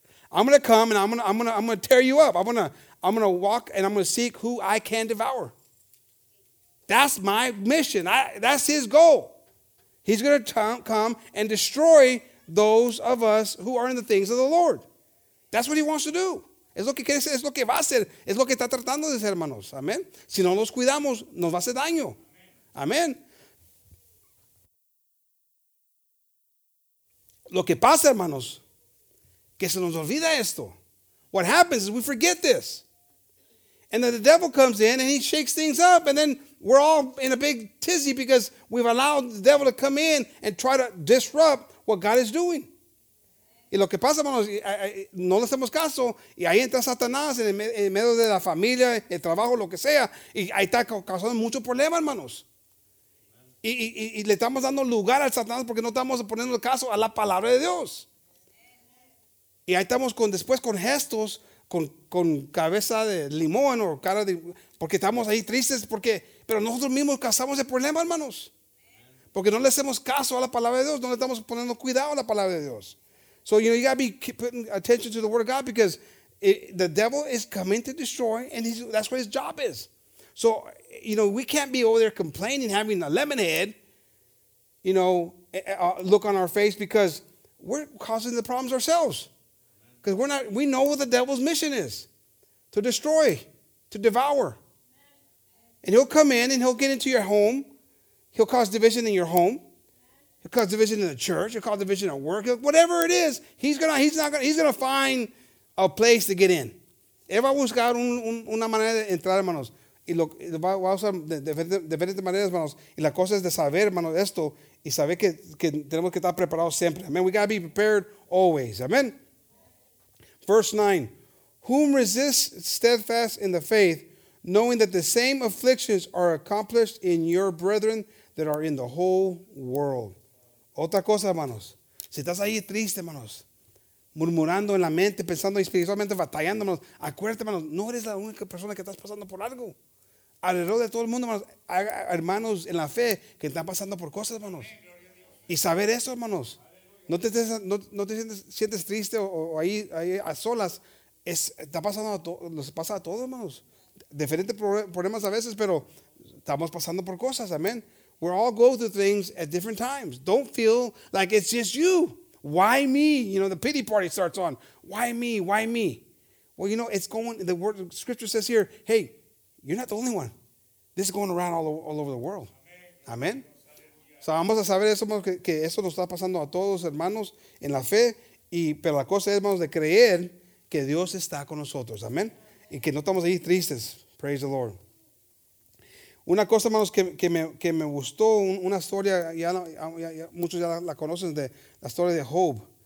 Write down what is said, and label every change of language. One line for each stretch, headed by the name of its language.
English: I'm going to come and I'm going to tear you up. I'm going to walk and I'm going to seek who I can devour. That's my mission. That's his goal. He's going to come and destroy those of us who are in the things of the Lord. That's what he wants to do.
Spanish: Es lo que quiere hacer, es lo que va a hacer, es lo que está tratando de hacer, hermanos. Amén. Si no nos cuidamos, nos va a hacer daño. Amén. Lo que pasa, hermanos, que se nos olvida esto.
English: What happens is we forget this. And then the devil comes in and he shakes things up and then we're all in a big tizzy because we've allowed the devil to come in and try to disrupt what God is doing.
Spanish: Y lo que pasa, hermanos, no le hacemos caso y ahí entra Satanás en el medio de la familia, el trabajo, lo que sea, y ahí está causando muchos problemas, hermanos. Y le estamos dando lugar al Satanás porque no estamos poniendo caso a la palabra de Dios. Y ahí estamos después con gestos, con cabeza de limón o cara de, porque estamos ahí tristes, porque, pero nosotros mismos causamos el problema, hermanos. Porque no le hacemos caso a la palabra de Dios, no le estamos poniendo cuidado a la palabra de Dios.
English: So, you know, you got to be putting attention to the word of God because the devil is coming to destroy, and that's what his job is. So, you know, we can't be over there complaining, having a lemonade, you know, look on our face because we're causing the problems ourselves. Because we know what the devil's mission is, to destroy, to devour. And he'll come in and he'll get into your home. He'll cause division in your home. He'll cause division in the church. He'll cause division at work. Whatever it is, he's gonna find a place to get in.
Spanish: Él va a buscar una manera de entrar, hermanos. Y lo va a usar de diferentes maneras, hermanos. Y la cosa es de saber, hermanos, esto. Y saber que tenemos que estar preparados siempre.
English: Amen. We gotta be prepared always. Amen. Verse 9. Whom resists steadfast in the faith, knowing that the same afflictions are accomplished in your brethren that are in the whole world.
Spanish: Otra cosa, hermanos, si estás ahí triste, hermanos, murmurando en la mente, pensando espiritualmente, batallando, hermanos, acuérdate, hermanos, no eres la única persona que estás pasando por algo. Alrededor de todo el mundo, hermanos, hay hermanos en la fe que están pasando por cosas, hermanos. Y saber eso, hermanos, no te sientes triste o ahí a solas, pasa a todos, hermanos. Diferentes problemas a veces, pero estamos pasando por cosas, amén.
English: We all go through things at different times. Don't feel like it's just you. Why me? You know, the pity party starts on. Why me? Why me? Well, you know, it's going, the word the scripture says here, hey, you're not the only one. This is going around all over the world. Amen.
Spanish: So vamos a saber eso, que eso nos está pasando a todos, hermanos, en la fe. Y pero la cosa es, hermanos, de creer que Dios está con nosotros. Amen. Y que no estamos ahí tristes.
English: Praise the Lord.
Spanish: Una cosa, hermanos, que me gustó, una historia, ya muchos ya la conocen, de la historia de Job.